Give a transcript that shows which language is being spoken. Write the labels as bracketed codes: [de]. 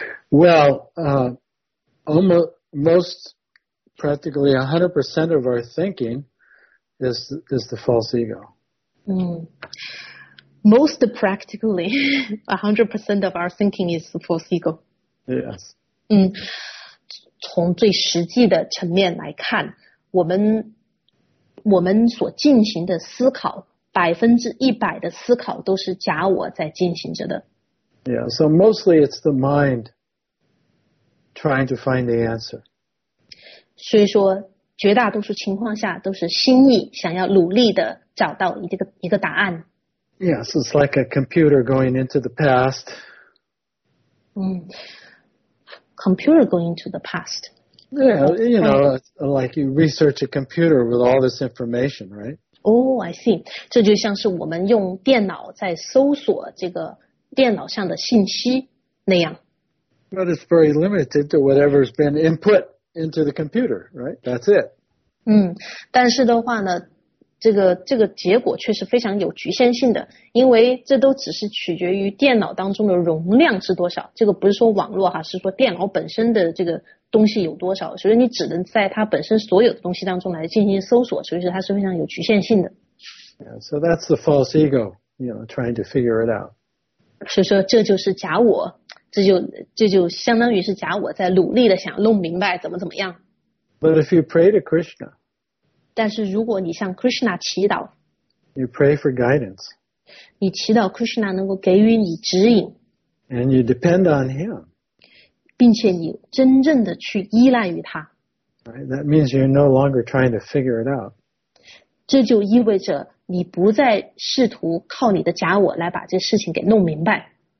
[en] Well, almost practically 100% of our thinking is the false ego. Most practically 100% of our thinking is the false ego. Yes. [zh] 从最实际的层面来看，我们所进行的思考，100%的思考都是假我在进行着的。 [en] Yeah, so mostly it's the mind trying to find the answer. [zh] 所以说绝大多数情况下都是心意想要努力的找到一个答案。 [en] Yes, it's like a computer going into the past. Computer going into the past. Yeah, you know, like you research a computer with all this information, right? Oh, I see. [zh] 这就像是我们用电脑在搜索这个电脑上的信息那样。 [en] But it's very limited to whatever's been input. Into the computer, right? That's it. [zh] 但是的话呢，这个结果却是非常有局限性的，因为这都只是取决于电脑当中的容量是多少。这个不是说网络哈，是说电脑本身的这个东西有多少。所以你只能在它本身所有的东西当中来进行搜索，所以说它是非常有局限性的。 [en] Yeah, so that's the false ego, you know, trying to figure it out. [zh] 所以说这就是假我。这就相当于是假我在努力的想弄明白怎么怎么样。 [en] But if you pray to Krishna, [zh] 但是如果你向 Krishna 祈祷， [en] you pray for guidance, [zh] 你祈祷 Krishna 能够给予你指引， [en] and you depend on him, [zh] 并且你真正的去依赖于他， [en] right? That means you're no longer trying to figure it out. [zh] 这就意味着你不再试图靠你的假我来把这事情给弄明白。